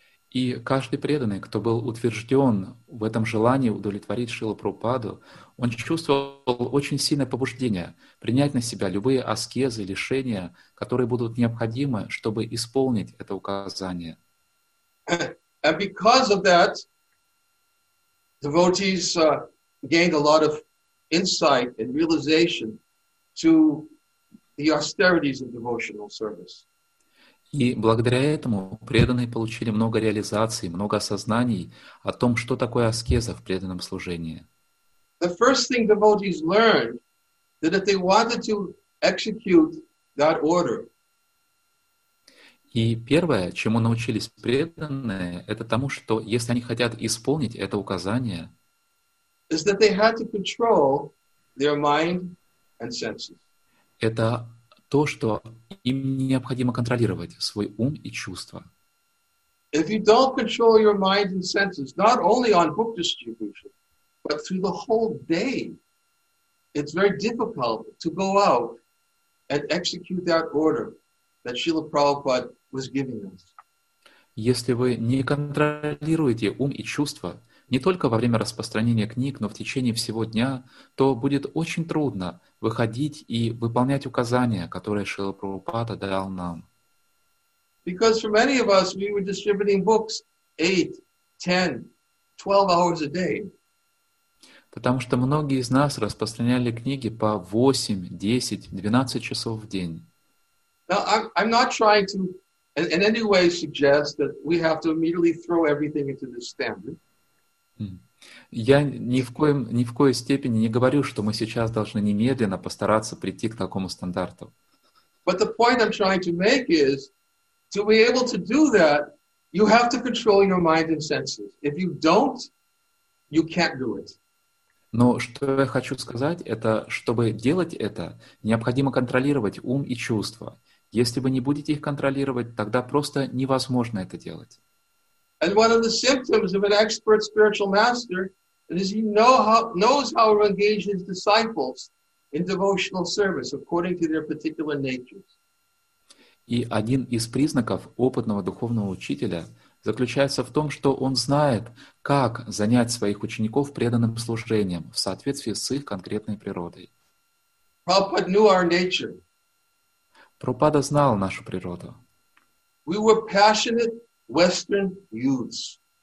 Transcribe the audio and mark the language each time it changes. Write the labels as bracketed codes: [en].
[ru] И каждый преданный, кто был утвержден в этом желании удовлетворить Шрилу Прабхупаду, он чувствовал очень сильное побуждение принять на себя любые аскезы, лишения, которые будут необходимы, чтобы исполнить это указание. [en] And because of that, devotees gained a lot of insight and realization to the austerities of devotional service. [ru] И благодаря этому преданные получили много реализаций, много осознаний о том, что такое аскеза в преданном служении. [en] The first thing devotees learned that if they wanted to execute that order, [ru] И первое, чему научились преданные, это тому, что если они хотят исполнить это указание, [en] is that they had to control their mind and senses. [ru] Это то, что им необходимо контролировать свой ум и чувства. [en] If you don't control your mind and senses, not only on book distribution, but through the whole day, it's very difficult to go out and execute that order that Srila Prabhupada was giving us. [ru] Если вы не контролируете ум и чувства не только во время распространения книг, но в течение всего дня, то будет очень трудно выходить и выполнять указания, которые Шрила Прабхупада дал нам. [en] Because for many of us, we were distributing books 8, 10, 12 hours a day. [ru] Потому что многие из нас распространяли книги по 8, 10, 12 часов в день. [en] Now, I'm not trying to in any way suggest that we have to immediately throw everything into this standard. [ru] Я ни в коей степени не говорю, что мы сейчас должны немедленно постараться прийти к такому стандарту. [en] But the point I'm trying to make is, to be able to do that, you have to control your mind and senses. If you don't, you can't do it. [ru] Но что я хочу сказать, это чтобы делать это, необходимо контролировать ум и чувства. Если вы не будете их контролировать, тогда просто невозможно это делать. [en] And one of the symptoms of an expert spiritual master is he knows how to engage his disciples in devotional service according to their particular natures. [ru] И один из признаков опытного духовного учителя заключается в том, что он знает, как занять своих учеников преданным служением в соответствии с их конкретной природой. [en] Prabhupada knew our nature. [ru] Прабхупада знал нашу природу. [en] We were passionate Western youths.